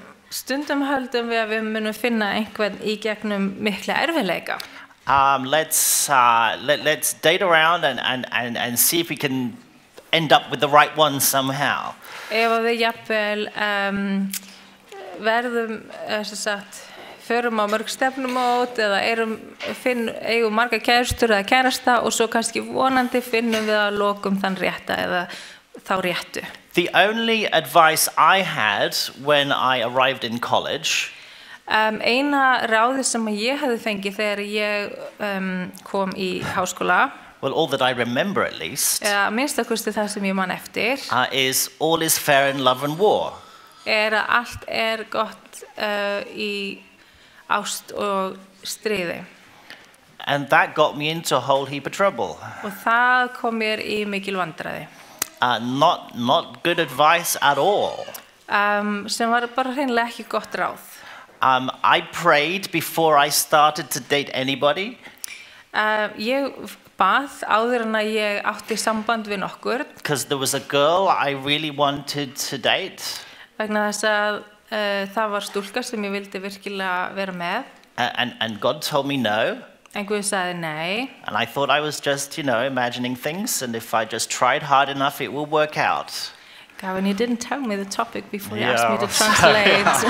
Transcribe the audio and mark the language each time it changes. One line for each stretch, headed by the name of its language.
Icelandic: Stundum höldum við að við munum finna einhvern í gegnum mikla erfiðleika.
English: Let's date around and see if we can end up with the right one somehow.
Icelandic: Ef við jafnvel verðum sem sagt förum á mörg stefnumót eða eigum marga kærustur eða kærasta og svo kannski vonandi finnum við að lokum þann rétta eða þá réttu.
English: The only advice I had when I arrived in college.
Icelandic: Eina ráði sem ég hefði fengið þegar ég kom í háskóla.
English: Well, all that I remember at least.
Icelandic: Minnsta kosti það sem ég man eftir.
English: Is all is fair in love and war.
Icelandic: Er að allt er gott í ást og stríði.
English: And that got me into a whole heap of trouble.
Icelandic: Og það kom mér í mikil vandræði.
English: Not good advice at all.
Icelandic: Sem var bara hreinlega ekki gott ráð.
English: I prayed before I started to date anybody.
Icelandic: Ég bað áður en að ég átti samband við nokkur.
English: Because there was a girl I really wanted to date.
Icelandic: Vegna þess að það var stúlka sem ég vildi virkilega vera með.
English: And God told me no.
Icelandic: En Guð sagði nei.
English: And I thought I was just, you know, imagining things, and if I just tried hard enough, it will work out. Gavin, you didn't tell me the topic before you asked me to translate.